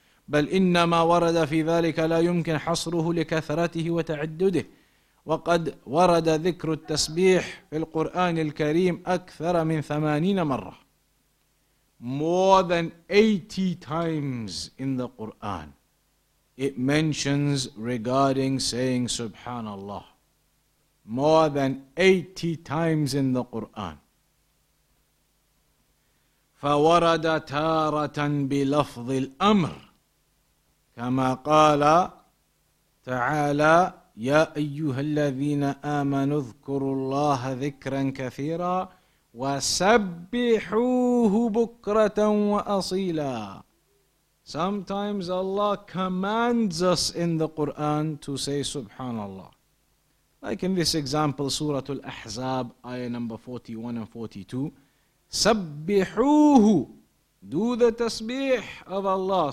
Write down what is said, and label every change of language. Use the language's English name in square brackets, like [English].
[Arabic] بل إنما ورد في ذلك لا يمكن حصره لكثرته وتعدده وقد ورد ذكر التسبيح في القرآن الكريم أكثر من 80 مرة. [English] More than 80 times in the Quran it mentions regarding saying Subhanallah. More than 80 times in the Quran. [Arabic] فورد تارة بلفظ الأمر كما قال تعالى يا أيها الذين آمنوا اذكروا الله ذكرا كثيرا وسبحوه بكرة وأصيلا. [English] Sometimes Allah commands us in the Quran to say Subhanallah. Like in this example, Surah Al-Ahzab, ayah number 41 and 42. سبحوه. Do the tasbih of Allah.